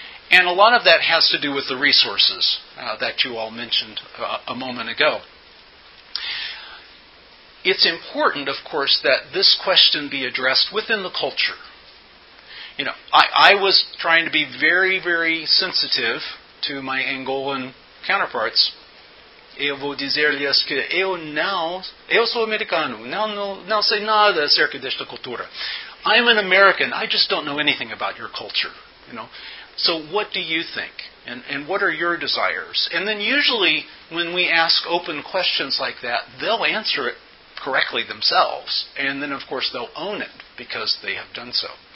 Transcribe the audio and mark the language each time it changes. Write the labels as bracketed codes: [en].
[en] And a lot of that has to do with the resources that you all mentioned a moment ago. It's important, of course, that this question be addressed within the culture. You know, I was trying to be very, very sensitive to my Angolan counterparts. [pt] Eu vou dizer-lhes que eu sou americano. Não sei nada acerca desta cultura. [en] I'm an American. I just don't know anything about your culture, you know. So what do you think? And what are your desires? And then usually when we ask open questions like that, they'll answer it correctly themselves. And then, of course, they'll own it because they have done so.